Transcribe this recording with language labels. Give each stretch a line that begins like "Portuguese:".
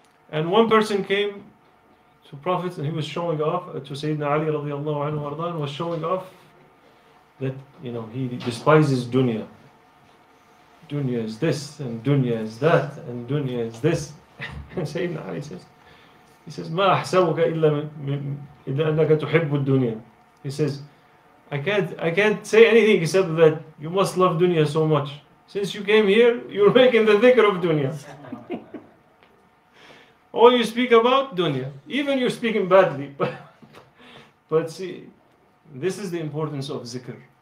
English: And one person came to Prophet and he was showing off to Sayyidina Ali radiallahu anhu ardan, was showing off that, you know, he despises dunya. Dunya is this and dunya is that and dunya is this. And Sayyidina Ali says, he says,
Arabic: ما أحسبك إلا إذا أنك تحب الدنيا.
English: He says, I can't say anything except that you must love dunya so much. Since you came here, you're making the dhikr of dunya. All you speak about, dunya. Even you're speaking badly. But see, this is the importance of zikr.